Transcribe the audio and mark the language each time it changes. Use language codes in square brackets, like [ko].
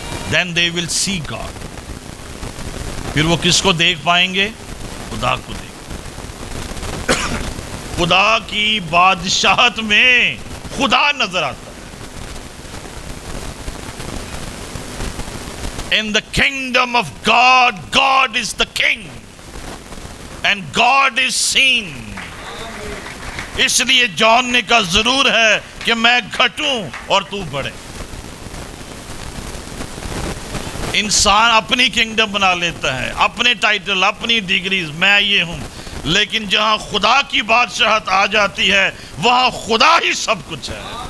[en] Then they will see God. [ur] پھر وہ کس کو دیکھ پائیں گے؟ خدا کو دیکھ. خدا کی بادشاہت میں خدا نظر آتا ہے. [en] In the kingdom of God, God is the king. And God is seen. [ur] اس لیے جان نے کہا ضرور ہے کہ میں گھٹوں اور تو بڑھے. انسان اپنی کنگڈم بنا لیتا ہے, اپنے ٹائٹل, اپنی ڈگریز, میں یہ ہوں, لیکن جہاں خدا کی بادشاہت آ جاتی ہے وہاں خدا ہی سب کچھ ہے.